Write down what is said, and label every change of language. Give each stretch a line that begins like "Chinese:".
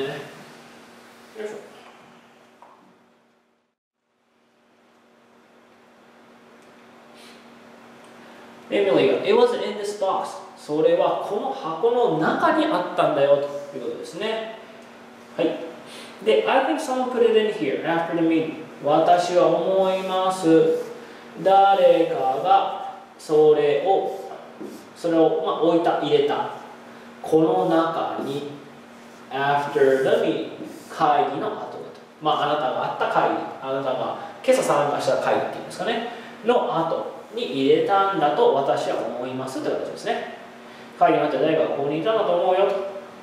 Japanese: よいしょ。
English: Emily が、It wasn't in this box.
Japanese: それはこの箱の中にあったんだよということですね。はい。
English: で、I think someone put it in here after the meeting.
Japanese: 私は思います。誰かがそれを置いた、入れた。この中に、
English: after the meeting、
Japanese: 会議の後だと。あなたがあった会議、あなたが今朝参加した会議っていうんですかね、の後に入れたんだと私は思いますって形ですね。会議の後、誰かがここにいたんだと思うよと。